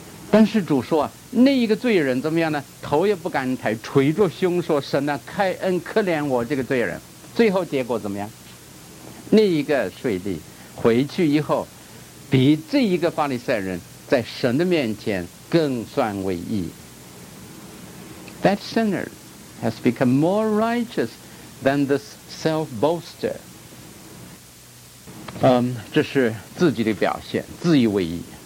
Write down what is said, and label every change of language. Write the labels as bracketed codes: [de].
[zh] 但是主说，那一个罪人怎么样呢？头也不敢抬，垂着胸说，神啊，开恩，可怜我这个罪人。最后结果怎么样？那一个税吏回去以后，比这一个法利赛人在神的面前更算为义。 [en] That sinner has become more righteous than this self-boaster. [zh] 这是自己的表现，自以为义。